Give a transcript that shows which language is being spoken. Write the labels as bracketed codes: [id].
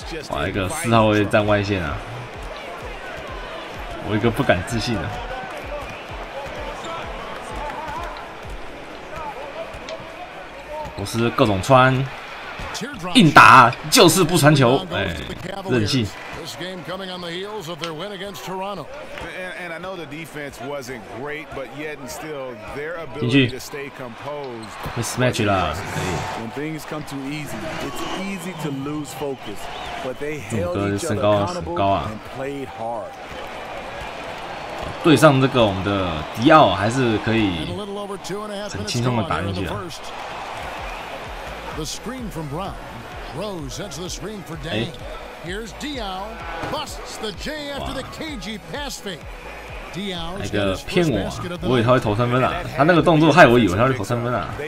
[zh] 哇，一个四号位站外线啊，我一个不敢置信的。我是各种穿。硬打就是不传球，哎，任性。 [en] This game coming on the heels of their win against Toronto. And I know the defense wasn't great, but yet and still their ability to stay composed. Mismatch [zh] 啦，可以。 [en] When things come too easy, it's easy to lose focus. But they held each other accountable and played hard. [zh] 对上这个我们的迪奥还是可以很轻松的打进去了。 [en] The screen from Brown. Rose sets the screen for Danny. Here's Diao, busts the J after the KG pass fake. [zh] Diao, 那个骗我，我以为他会投三分啊，他那个动作害我以为他会投三分啊。